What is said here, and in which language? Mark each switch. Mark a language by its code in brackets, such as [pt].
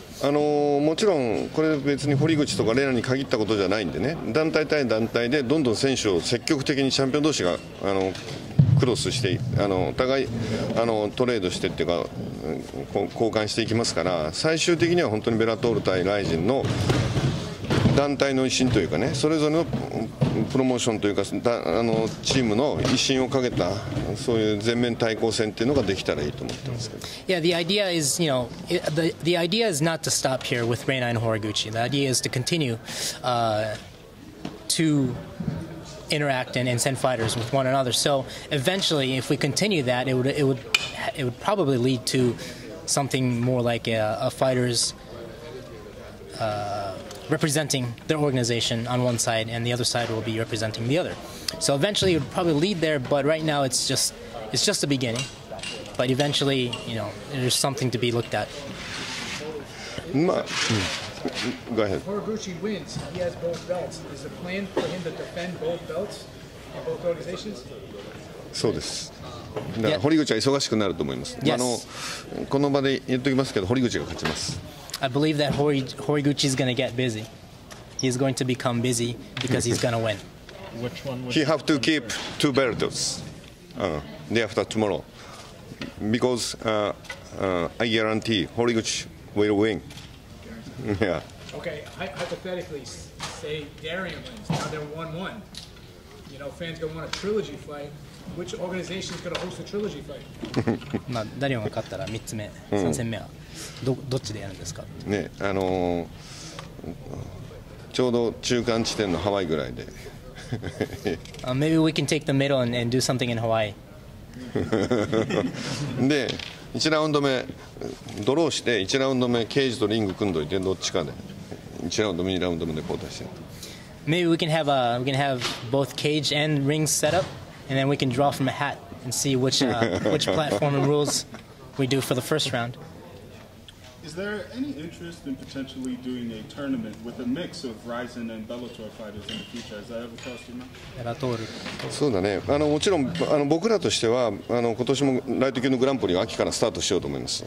[ja] もちろんこれ別に堀口とかレナに限ったことじゃないんでね、団体対団体でどんどん選手を積極的にチャンピオン同士がクロスしてお互いトレードしてっていうか交換していきますから、最終的には本当にベラトール対ライジンの団体の威信というかね、それぞれのプロモーションというか、チームの威信をかけたそういう全面対抗戦っていうのができたらいいと思ってますけど。 [en] Yeah, the idea is, the idea is not to stop here with Reyna and Horiguchi. The idea is to continue to interact and send fighters with one another. So eventually, if we continue that, it would probably lead to something more like a fighters representing their organization on one side, and the other side will be representing the other. So eventually, it would probably lead there. But right now, it's just the beginning. But eventually, you know, there's something to be looked at. Go ahead. If Horiguchi wins, he has both belts. Is the plan for him to defend both belts in both organizations? [ja] そうです。だから堀口は忙しくなると思います。 [en] Yes. [ja] あのこの場で言っておきますけど、堀口が勝ちます。 [en] I believe that Horiguchi is going to get busy. He is going to become busy because he's going to win. Which one would he have to keep two belts? Day after tomorrow, because I guarantee Horiguchi will win. Yeah. Okay. Hypothetically, say Darien wins. Now they're 1-1. You know, fans gonna want a trilogy fight. Which organization is gonna host the trilogy fight? [ja] まあダリオンが勝ったら三つ目、三戦目はどっちでやるんですか？ね、ちょうど中間地点のハワイぐらいで。 [en] maybe we can take the middle and do something in Hawaii. [ja] で。 1ラウンド目ドローして1ラウンド目ケージとリング組んどいてどっちかで1ラウンド目2ラウンド目で交代して [en] Maybe we can have both cage and rings set up and then we can draw from a hat and see which platform and rules we do for the first round. Is there any interest in potentially doing a tournament with a mix of Ryzen and Bellator fighters in the future? Is that ever crossed your mind? Bellator. [ja] そうだね。あのもちろんあの僕らとしてはあの今年もライト級のグランプリを秋からスタートしようと思います。